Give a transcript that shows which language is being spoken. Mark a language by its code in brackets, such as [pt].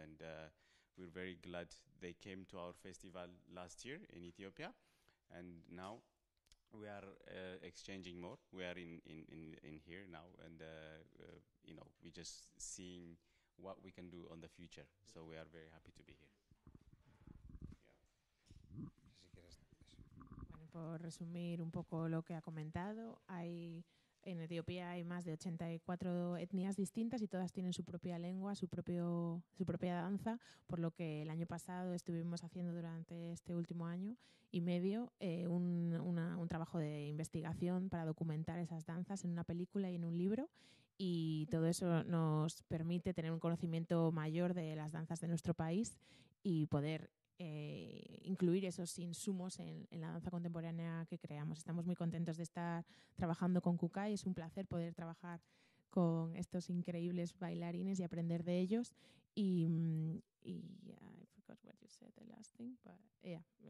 [en] And we're very glad they came to our festival last year in Ethiopia, and now we are exchanging more. We are in here now, and you know, we just seeing what we can do on the future. So we are very happy to be here. Yeah. [es] Bueno, por resumir un poco lo que ha comentado, hay en Etiopía hay más de 84 etnias distintas y todas tienen su propia lengua, su propia danza, por lo que el año pasado estuvimos haciendo durante este último año y medio un trabajo de investigación para documentar esas danzas en una película y en un libro, y todo eso nos permite tener un conocimiento mayor de las danzas de nuestro país y poder incluir esos insumos en la danza contemporánea que creamos. Estamos muy contentos de estar trabajando con Kukai. Es un placer poder trabajar con estos increíbles bailarines y aprender de ellos. [en] I forgot what you said, the last thing, but yeah.